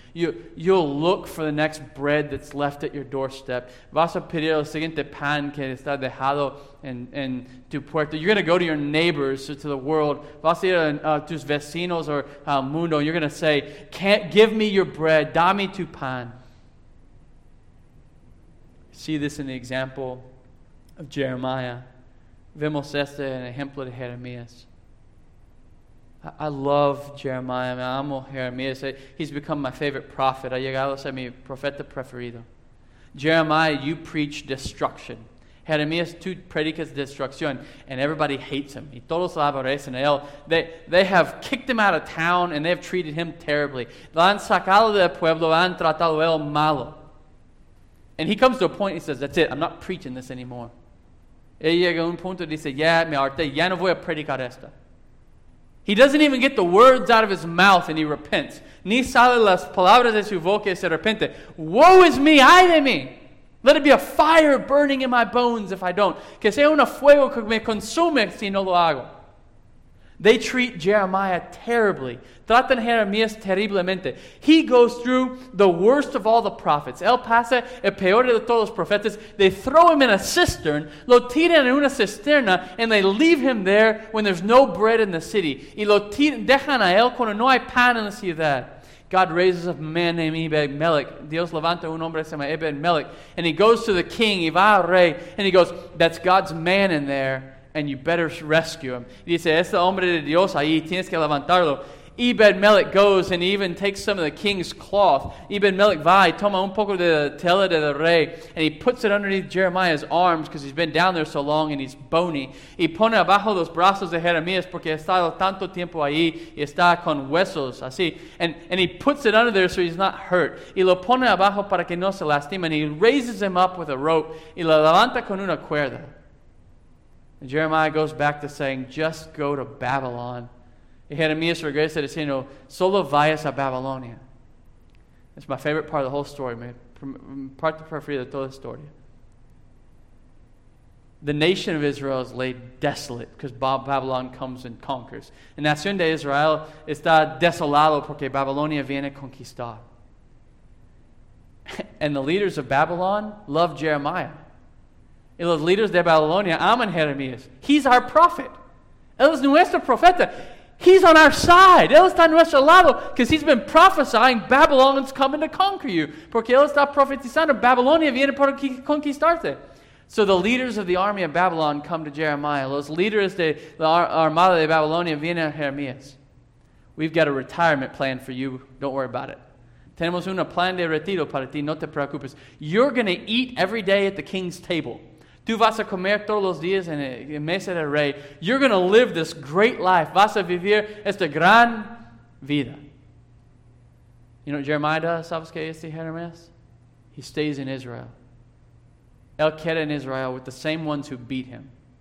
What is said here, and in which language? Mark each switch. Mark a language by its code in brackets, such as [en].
[en] You'll look for the next bread that's left at your doorstep. [es] Vas a pedir el siguiente pan que está dejado en tu puerta. [en] You're going to go to your neighbors, or to the world. [es] Vas a ir a tus vecinos or al mundo. [en] You're going to say, "Can't give me your bread. [es] Dame tu pan." [en] See this in the example of Jeremiah. [es] Vemos este en el ejemplo de Jeremías. [en] I love Jeremiah. Man. [es] Amo Jeremías. [en] He's become my favorite prophet. [es] Ha llegado a ser mi profeta preferido. [en] Jeremiah, you preach destruction. [es] Jeremías, tú predicas destrucción. [en] And everybody hates him. [es] Y todos lo aborrecen a él. [en] They have kicked him out of town and they've treated him terribly. [es] Lo han sacado del pueblo, han tratado él malo. [en] And he comes to a point, he says, "That's it, I'm not preaching this anymore." [es] Él llega a un punto y dice, "Ya me harté, ya no voy a predicar esto." [en] He doesn't even get the words out of his mouth and he repents. [es] Ni sale las palabras de su boca y se arrepiente. [en] Woe is me, [es] ay de mí. [en] Let it be a fire burning in my bones if I don't. [es] Que sea un fuego que me consume si no lo hago. [en] They treat Jeremiah terribly. [es] Tratan Jeremías terriblemente. [en] He goes through the worst of all the prophets. [es] Él pasa el peor de todos los profetas. [en] They throw him in a cistern. [es] Lo tiran en una cisterna. [en] And they leave him there when there's no bread in the city. [es] Y lo tiran, dejan a él cuando no hay pan en la ciudad. [en] God raises a man named Ebed-Melech. [es] Dios levanta un hombre que se llama Ebed-Melech. [en] And he goes to the king, y va al rey. And he goes, "That's God's man in there. And you better rescue him." [es] Y dice, "Este hombre de Dios ahí, tienes que levantarlo." [en] Ebed-Melech goes and even takes some of the king's cloth. [es] Ebed-Melech va y toma un poco de tela de rey. [en] And he puts it underneath Jeremiah's arms because he's been down there so long and he's bony. [es] Y pone abajo los brazos de Jeremías porque ha estado tanto tiempo ahí y está con huesos así. [en] And he puts it under there so he's not hurt. [es] Y lo pone abajo para que no se lastime. [en] And he raises him up with a rope [es] y lo levanta con una cuerda. [en] And Jeremiah goes back to saying, "Just go to Babylon." [es] Y Jeremías regresa diciendo, "Solo vayas a Babilonia." [en] It's my favorite part of the whole story, man. [es] Parte preferida de toda la historia. [en] The nation of Israel is laid desolate because Babylon comes and conquers. [es] La nación de Israel está desolado porque Babilonia viene a conquistar. [en] And the leaders of Babylon love Jeremiah. [es] Y los líderes de Babilonia aman Jeremías. [en] He's our prophet. [es] Él es nuestro profeta. [en] He's on our side. [es] Él está a nuestro lado [en] because he's been prophesying Babylon's coming to conquer you. [es] Porque él está profetizando. Babilonia viene para conquistarte. [en] So the leaders of the army of Babylon come to Jeremiah. [es] Los líderes de la armada de Babilonia vienen a Jeremías. [en] "We've got a retirement plan for you. Don't worry about it. [es] Tenemos un plan de retiro para ti. No te preocupes. [en] You're going to eat every day at the king's table. [es] Tú vas a comer todos los días en el mesa del rey. [en] You're going to live this great life. [es] Vas a vivir esta gran vida." [en] You know what Jeremiah does? [es] ¿Sabes qué es Jeremías? [en] He stays in Israel. [es] Él queda en Israel [en] with the same ones who beat him.